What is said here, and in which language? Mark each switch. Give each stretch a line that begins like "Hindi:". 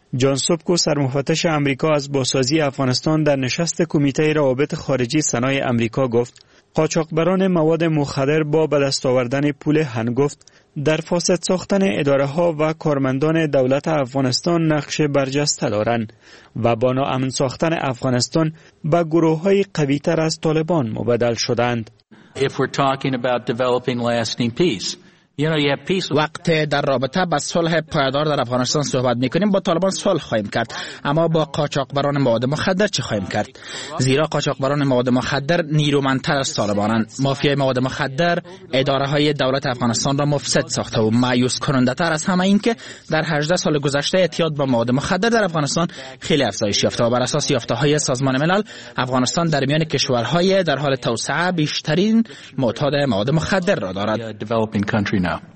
Persian: جان سوکو سرمفتش آمریکا از بازسازی افغانستان در نشست کمیته روابط خارجی سنای آمریکا گفت قاچاقبران مواد مخدر با بدست آوردن پول هنگفت در فاسد ساختن اداره ها و کارمندان دولت افغانستان نقش برجسته دارند و با ناامن ساختن افغانستان به گروه های قوی تر از طالبان مبدل شدند.
English: If we're talking about developing lasting peace, you know, you have peace.
Persian: وقت در رابطه با صلح پایدار در افغانستان صحبت میکنیم با طالبان صلح خواهیم کرد، اما با قاچاقبران مواد مخدر چه خواهیم کرد؟ زیرا قاچاقبران مواد مخدر نیرومندتر از طالبانند. مافیای مواد مخدر اداره های دولت افغانستان را مفسد ساخته و مایوس کننده تر از همه این که در 18 سال گذشته اعتیاد به مواد مخدر در افغانستان خیلی افزایش یافته و بر اساس یافته های سازمان ملل افغانستان در میان کشورهای در حال توسعه بیشترین معتاد مواد مخدر را دارد.